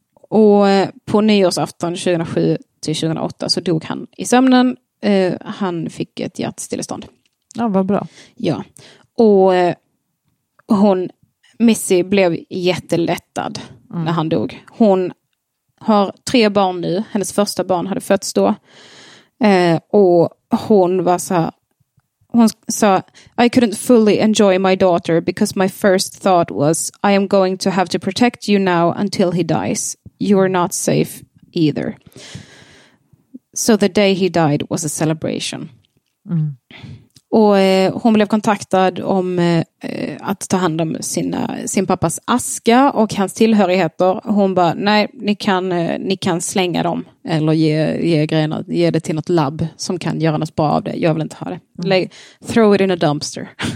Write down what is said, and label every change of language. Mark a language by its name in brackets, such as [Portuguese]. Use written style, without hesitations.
[Swedish] Och på nyårsafton 2007-2008 så dog han i sömnen. Han fick ett hjärtstillestånd. Ja, vad bra. Ja, och hon, Missy, blev jättelättad när han dog. Hon har 3 barn nu. Hennes första barn hade fötts då. Och hon var så här, hon sa, [English] I couldn't fully enjoy my daughter because my first thought was I am going to have to protect you now until he dies. You are not safe either. So the day he died was a celebration. Mm. [Swedish] Och hon blev kontaktad om att ta hand om sin pappas aska och hans tillhörigheter. Hon bara, nej, ni kan slänga dem eller ge det till något labb som kan göra något bra av det. Jag vill inte ha det. [English] Throw it in a dumpster.